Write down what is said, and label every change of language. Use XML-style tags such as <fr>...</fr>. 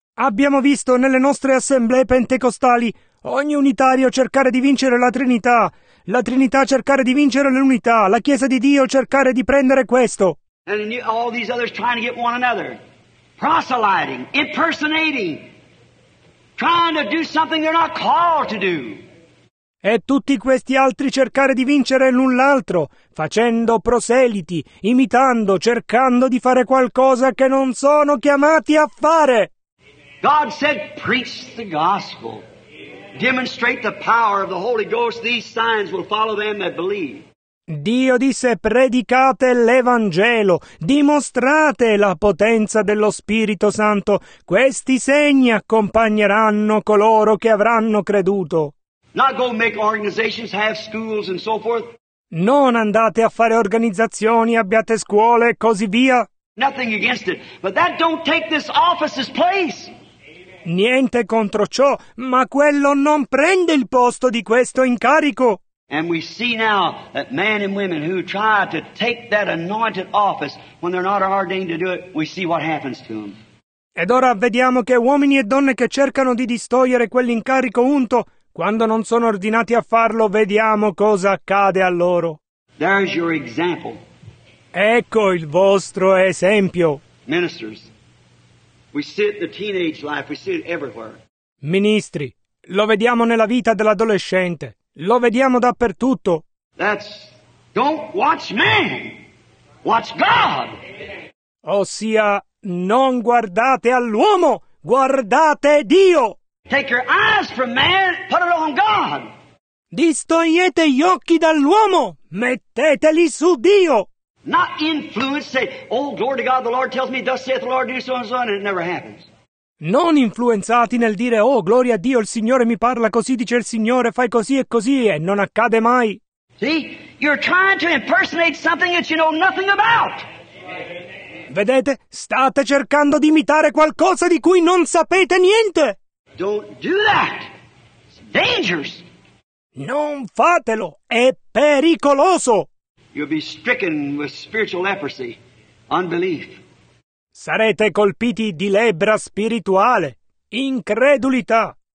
<it>Abbiamo visto nelle nostre assemblee pentecostali ogni unitario cercare di vincere la Trinità cercare di vincere l'unità, la Chiesa di Dio cercare di prendere questo.</it> <en>And all these others trying to get one another, proselyting, impersonating, trying to do something they're not called to do.</en> <it>E tutti questi altri cercare di vincere l'un l'altro, facendo proseliti, imitando, cercando di fare qualcosa che non sono chiamati a fare.</it> <en>God said, preach the gospel. Demonstrate the power of the Holy Ghost. These signs will follow them that believe.</en> <it>Dio disse, predicate l'Evangelo, dimostrate la potenza dello Spirito Santo. Questi segni accompagneranno coloro che avranno creduto.</it> <en>Not go make organizations, have schools and so forth.</en> <it>Non andate a fare organizzazioni, abbiate scuole e così via.</it> <en>Nothing against it, but that don't take this office's place.</en> <it>Niente contro ciò, ma quello non prende il posto di questo incarico.</it> <en>And we see now that men and women who try to take that anointed office when they're not ordained to do it, we see what happens to them.</en> <it>Ed ora vediamo che uomini e donne che cercano di distogliere quell'incarico unto, quando non sono ordinati a farlo, vediamo cosa accade a loro.</it> <en>There's your example.</en> <it>Ecco il vostro esempio.</it> <en>Ministers, we see it in the teenage life, we see it everywhere.</en> <it>Ministri, lo vediamo nella vita dell'adolescente, lo vediamo dappertutto.</it> <en>That's, don't watch man, watch God.</en> <it>Ossia, non guardate all'uomo, guardate Dio.</it> <en>Take your eyes from man, put it on God.</en> <it>Distogliete gli occhi dall'uomo, metteteli su Dio.</it> <en>Not influence, say, oh, glory to God, the Lord tells me, thus saith the Lord, do so and so, and it never happens.</en> <it>Non influenzati nel dire, oh, gloria a Dio, il Signore mi parla così, dice il Signore, fai così e così, e non accade mai.</it> <en>See, you're trying to impersonate something that you know nothing about.</en> <it>Vedete, state cercando di imitare qualcosa di cui non sapete niente.</it> <en>Don't do that. It's dangerous.</en> <it>Non fatelo. È pericoloso.</it> <en>You'll be stricken with spiritual leprosy, unbelief.</en> <it>sarete colpiti di lebbra spirituale, incredulità.</it>